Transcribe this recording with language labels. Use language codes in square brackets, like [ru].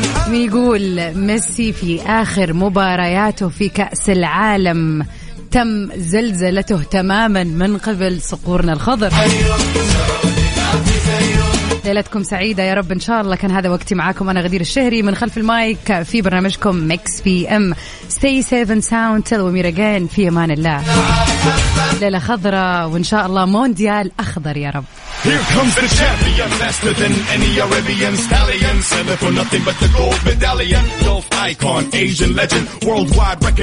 [ar] ويقول ميسي في آخر مبارياته في كأس العالم تم زلزلته تماما من قبل صقورنا الخضر. ليلتكم سعيدة يا رب إن شاء الله. كان هذا وقتي معاكم أنا غدير الشهري من خلف المايك في برنامجكم ميكس بي أم. [en] Stay safe and sound till we meet again. [ar] في أمان الله. ليلة خضرة وإن شاء الله مونديال أخضر يا رب. [en] Here comes the champion, faster than any Arabian stallion, seven for nothing but the gold medallion, golf icon, Asian legend, worldwide recognition.